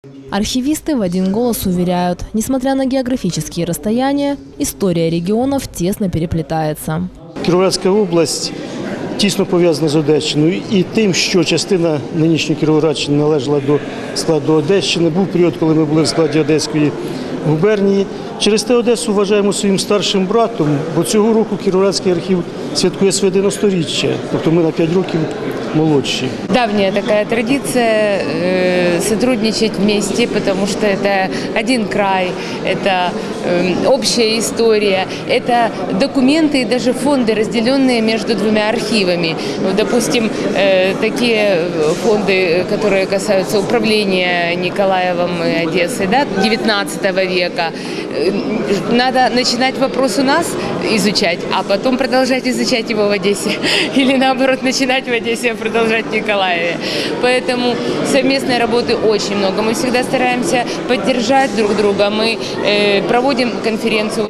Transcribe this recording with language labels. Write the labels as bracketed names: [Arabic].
[Russian] Архивисты в один голос уверяют, несмотря на географические расстояния, история регионов тесно переплетается. Кировоградская область тесно повязана с Одещиной. И тем, что часть нынешней Кировоградщины [Ukrainian] належала до складу Одещины, [Russian] был период, когда мы были в складе Одесской губернии. [Ukrainian] Через те Одессу вважаємо своїм старшим братом, бо цього року Кіровоградський архів святкує своє 90-річчя, тобто ми на 5 років молодші. Давня така традиція співпрацювати в місті, тому що це один край, це общая історія, це документи і навіть фонди, розділені між двома архівами. [Russian] Допустимо, такі фонди, які стосуються управління Ніколаєвом і Одеси, 19 віка. Надо начинать вопрос у нас изучать, а потом продолжать изучать его в Одессе. Или наоборот, начинать в Одессе, а продолжать в Николаеве. Поэтому совместной работы очень много. Мы всегда стараемся поддержать друг друга. Мы проводим конференцию.